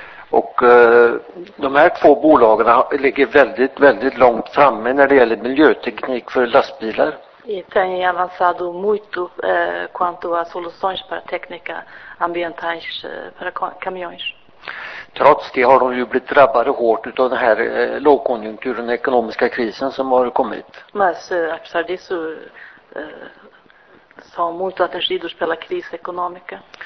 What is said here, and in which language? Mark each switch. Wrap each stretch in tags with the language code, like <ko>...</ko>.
<sv>Och de här två bolagen ligger väldigt, väldigt långt framme när det gäller miljöteknik för lastbilar.</sv> <pt>E tem avançado muito quanto a soluções para técnica ambientais para caminhões.</pt> <sv>Trots det har de ju blivit drabbade hårt av den här lågkonjunkturen, den ekonomiska krisen som har kommit.</sv> <pt>Mas apesar disso são muito atingidos pela crise econômica.</pt>